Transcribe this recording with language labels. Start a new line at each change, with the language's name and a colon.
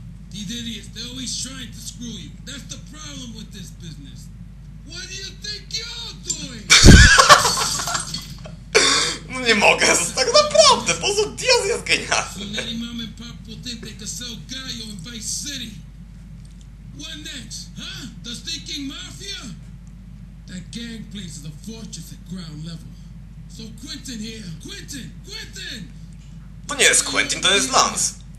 English: These idiots, they're always trying to screw you. That's the problem with this business. What do you think you're doing?
Polish: No nie mogę, tak naprawdę, po prostu Diaz jest genialny.
English: So many mom and pop think they could sell Gaio in Vice City. What next, huh? The Stinking Mafia? That gang place is a fortress at ground level. So Quentin here, Quentin, Quentin!
Polish: To nie jest Quentin, to jest Lance.